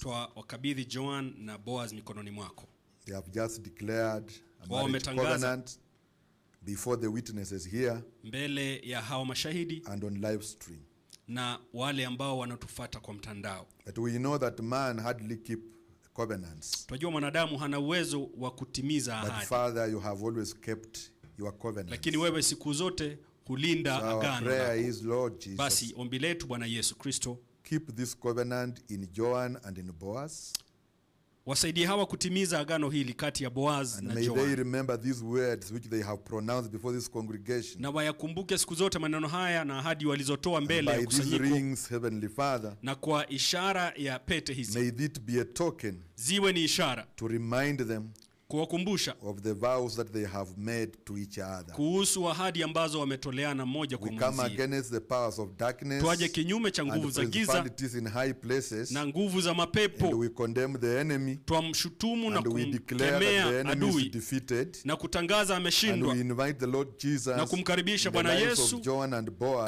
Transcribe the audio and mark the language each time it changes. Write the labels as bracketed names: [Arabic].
[Swahili] Twa wakabidhi Joan na Boaz mikononi mwako. [English] They have just declared a marriage covenant before the witnesses here, [Swahili] mbele ya hao mashahidi, [English] and on live stream, [Swahili] na wale ambao wanatufuata kwa mtandao. [English] But we know that man hardly keep covenants. [Swahili] Tunajua mwanadamu hana uwezo wa kutimiza ahadi. [English] But Father, you have always kept your covenant. [Swahili] Lakini wewe siku zote kulinda agano. [English] Our prayer is, Lord Jesus, [Swahili] basi ombi letu Bwana Yesu Kristo, [English] keep this covenant in Joan and in Boaz. [Swahili] Wasaidie hawa kutimiza agano hili kati ya Boaz [English] and may Joab. They remember these words which they have pronounced before this congregation. [Swahili] Na wayakumbuke siku zote maneno haya na ahadi walizotoa mbele ya kusanyiko. [English] By these rings, Heavenly Father. [Swahili] Na kwa ishara ya pete hizi. [English] May it be a token. [Swahili] Ziwe ni ishara. [English] To remind them. [Swahili] Kuwakumbusha. [English] Of the vows that they have made to each other. [Swahili] Kuhusu ahadi ambazo wametoleana moja kwa mwingine. [English] We come against the powers of darkness. [Swahili] Tuaje kinyume cha nguvu za giza. [English] And principalities in high places. [Swahili] Na nguvu za mapepo. [English] And we condemn the enemy. [Swahili] Tuamshutumu na kumkemea adui. [English] And we declare that the enemy is defeated. [Swahili] Na kutangaza ameshindwa. [English] And we invite the Lord Jesus. [Swahili] Na kumkaribisha Bwana Yesu. [English] In the lives of Joan and Boaz.